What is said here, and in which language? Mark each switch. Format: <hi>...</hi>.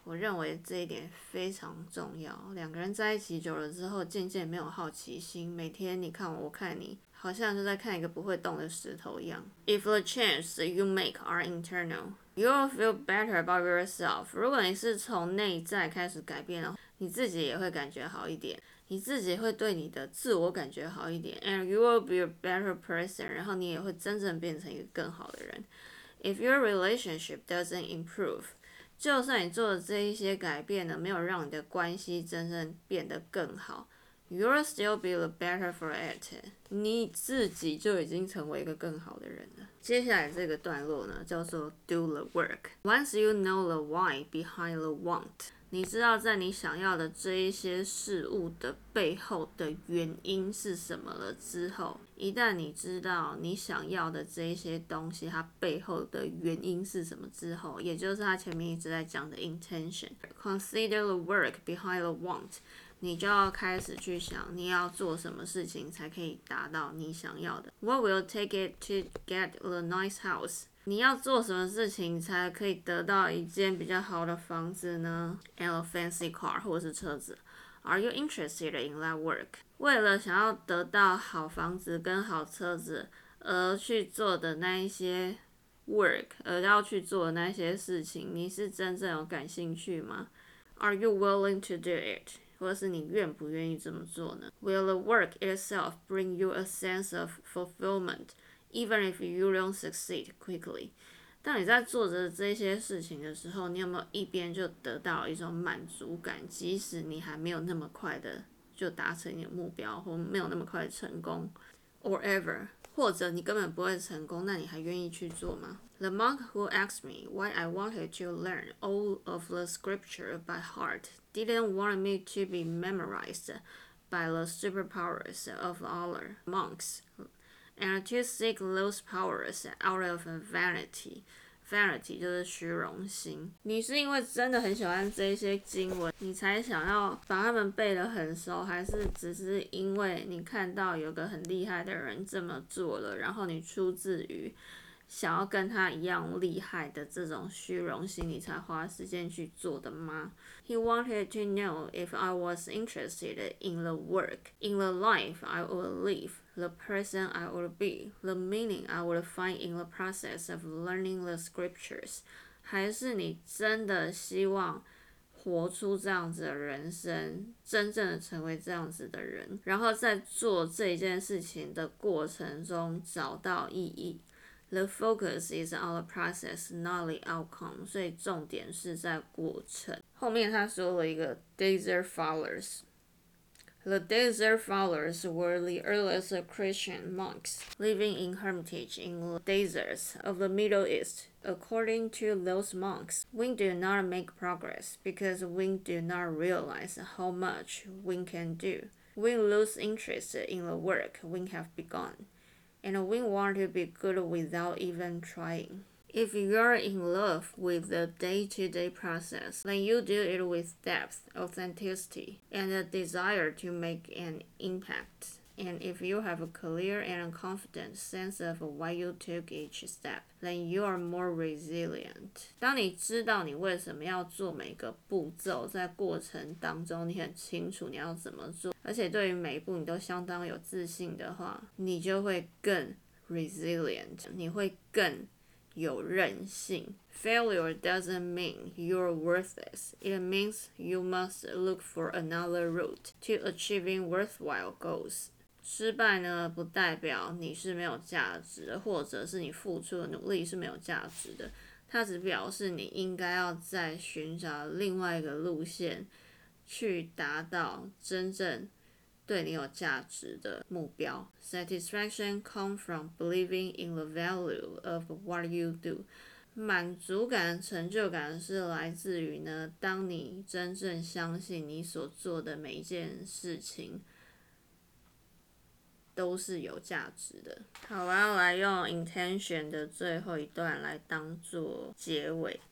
<zh>我认为这一点非常重要。两个人在一起久了之后，渐渐没有好奇心，每天你看我，我看你，好像就在看一个不会动的石头一样。</zh> <en>If the changes you make are internal,You'll feel better about yourself.</en> <zh>如果你是从内在开始改变的话，你自己也会感觉好一点，你自己会对你的自我感觉好一点。</zh> <en>And you will be a better person.</en> <zh>然后你也会真正变成一个更好的人。 If your relationship doesn't improve, 就算你做的这一些改变呢，没有让你的关系真正变得更好 ， You'll still be the better for it. 你自己就已经成为一个更好的人了。接下来这个段落呢，叫做 Do the work. Once you know the why behind the want, 你知道在你想要的这一些事物的背后的原因是什么了之后，一旦你知道你想要的这一些东西它背后的原因是什么之后，也就是他前面一直在讲的 intention.</zh> <en>Consider the work behind the want.</en> <zh>你就要开始去想你要做什么事情才可以达到你想要的。</zh> <en>What will take it to get the nice house?</en> <zh>你要做什么事情才可以得到一间比较好的房子呢？</zh> <en>And a fancy car 或是车子。 Are you interested in that work?</en> <zh>为了想要得到好房子跟好车子而去做的那一些 work, 而要去做的那些事情，你是真正有感兴趣吗？</zh> <en>Are you willing to do it?</en> <zh>或是你愿不愿意这么做呢？</zh> <en>Will the work itself bring you a sense of fulfillment, even if you don't succeed quickly?</en> <zh>当你在做着这些事情的时候，你有没有一边就得到一种满足感，即使你还没有那么快的就达成你的目标，或没有那么快的成功 ， or ever, 或者你根本不会成功，那你还愿意去做吗？</zh> <en>The monk who asked me why I wanted to learn all of the scripture by heart. Didn't want me to be memorized by the superpowers of all monks, and to seek those powers out of vanity.</en> <zh>Vanity 就是虚荣心。你是因为真的很喜欢这些经文，你才想要把他们背得很熟，还是只是因为你看到有个很厉害的人这么做了，然后你出自于想要跟他一样厉害的这种虚荣心，你才花时间去做的吗？</zh> <en>He wanted to know if I was interested in the work, in the life I would live, the person I would be, the meaning I would find in the process of learning the scriptures.</en> <zh>还是你真的希望活出这样子的人生，真正的成为这样子的人，然后在做这件事情的过程中找到意义。</zh> <en>The focus is on the process, not the outcome.</en> <zh>所以重点是在过程。后面他说了一个 desert followers.</zh> <en>The desert followers were the earliest Christian monks living in hermitage in the deserts of the Middle East. According to those monks, we do not make progress because we do not realize how much we can do. We lose interest in the work we have begun. And we want to be good without even trying. If you're in love with the day-to-day process, then you do it with depth, authenticity, and a desire to make an impact. And if you have a clear and confident sense of why you took each step, then you are more resilient.</en> <zh>当你知道你为什么要做每个步骤，在过程当中你很清楚你要怎么做，而且对于每一步你都相当有自信的话，你就会更 resilient， 你会更有韧性。</zh> <en>Failure doesn't mean you're worthless. It means you must look for another route to achieving worthwhile goals.</en> <zh>失败呢，不代表你是没有价值的，或者是你付出的努力是没有价值的。它只表示你应该要再寻找另外一个路线，去达到真正对你有价值的目标。</zh> <en>Satisfaction comes from believing in the value of what you do。</en> <zh>满足感、成就感是来自于呢，当你真正相信你所做的每一件事情都是有价值的。好，我要来用 intention 的最后一段来当作结尾。</zh>